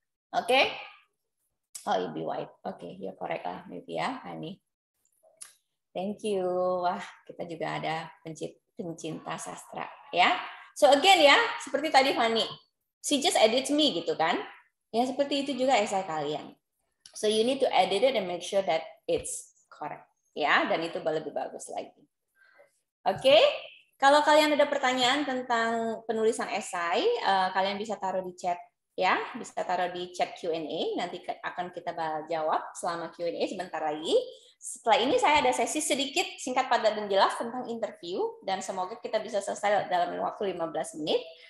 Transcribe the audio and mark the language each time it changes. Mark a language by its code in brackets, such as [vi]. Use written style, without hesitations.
[en] Oke. Okay. Oh, you be white. Oke, okay, you're correct lah. Maybe ya, Honey. Thank you. [id] Wah, kita juga ada pencinta sastra. Ya. [en] So again ya, [id] seperti tadi [en] Honey. She just edits me gitu kan. [id] Ya, seperti itu juga esai kalian. [en] So you need to edit it and make sure that it's correct. [id] Ya, dan itu lebih bagus lagi. Oke, okay? Kalau kalian ada pertanyaan tentang penulisan esai, kalian bisa taruh di chat, ya, bisa taruh di chat Q&A. Nanti akan kita jawab selama Q&A sebentar lagi. Setelah ini saya ada sesi sedikit singkat padat dan jelas tentang interview, dan semoga kita bisa selesai dalam waktu 15 menit.